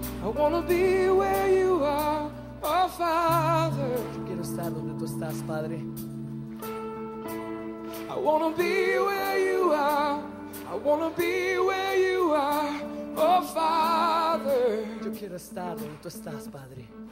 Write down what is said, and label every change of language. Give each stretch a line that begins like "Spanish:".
English: I wanna be where you are, oh Father.
Spanish: Yo quiero estar donde tú estás, Padre.
English: I wanna be where you are. I wanna be where you are, oh Father.
Spanish: Yo quiero estar donde tú estás, Padre.